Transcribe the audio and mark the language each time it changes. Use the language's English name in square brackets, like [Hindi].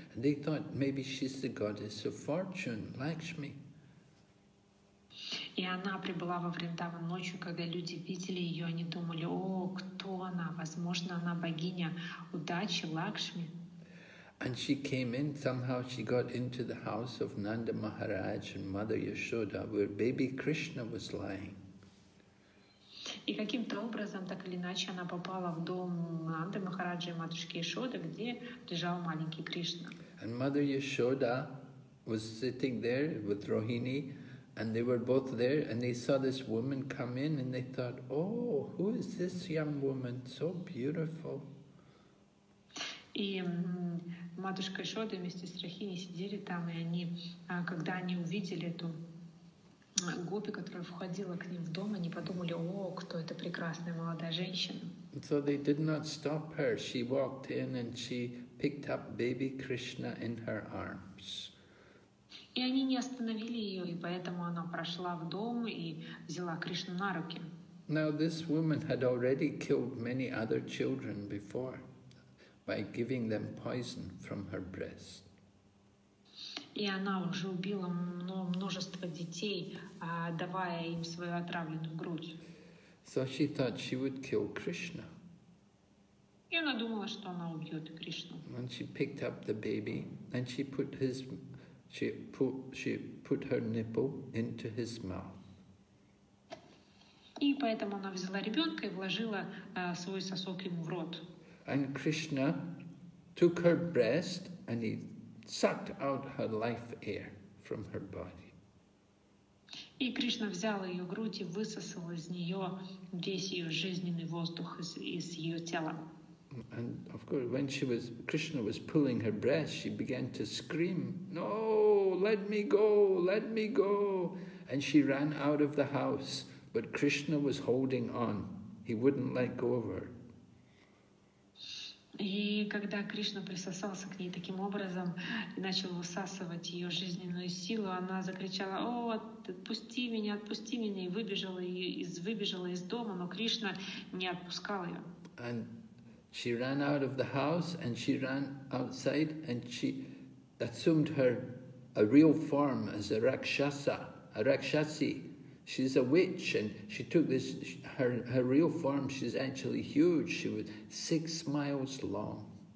[English] And they thought, maybe she's the goddess of fortune, Lakshmi. [Russian] И она прибыла во Вриндаван ночью, когда люди видели ее, они думали, о, кто она? Возможно, она богиня удачи, Лакшми. [English] And she came in, somehow she got into the house of Nanda Maharaj and Mother Yashoda, where baby Krishna was lying. [Russian] И каким-то образом, так или иначе, она попала в дом Нанды Махараджи и матушки Яшоды, где лежал маленький Кришна. [English] And Mother Yashoda was sitting there with Rohini, and they were both there, and they saw this woman come in, and they thought, oh, who is this young woman? So beautiful. [Russian] И матушка Яшода вместе с Рохини сидели там, и они, когда они увидели эту гопи, которая входила к ним в дом, они подумали, о, кто эта прекрасная молодая женщина. [English] So they did not stop her. She walked in, and she picked up baby Krishna in her arms. [Russian] И они не остановили ее, и поэтому она прошла в дом и взяла Кришну на руки. [English] Now this woman had already killed many other children before by giving them poison from her breast. [Russian] И она уже убила множество детей, давая им свою отравленную грудь. [English] So she thought she would kill Krishna. [Russian] И она думала, что она убьет Кришну. [English] And she picked up the baby and she put his She put her nipple into his mouth. [Russian] И поэтому она взяла ребенка и вложила свой сосок ему в рот. [English] And Krishna took her breast and he sucked out her life air from her body. [Russian] И Кришна взял ее грудь и высосал из нее весь ее жизненный воздух из ее тела. [English] And of course, when she was, Krishna was pulling her breath, she began to scream, "No, let me go, let me go!" And she ran out of the house, but Krishna was holding on. He wouldn't let go of her. [Russian] И когда Кришна присосался к ней таким образом и начал высасывать ее жизненную силу, она закричала: «О, отпусти меня, отпусти меня!» И выбежала из дома, но Кришна не отпускал ее. [English] And she ran out of the house and she ran outside and she assumed her a real form as a rakshasa, a rakshasi. She's a witch and she took this, her real form, she's actually huge, she was 6 miles long.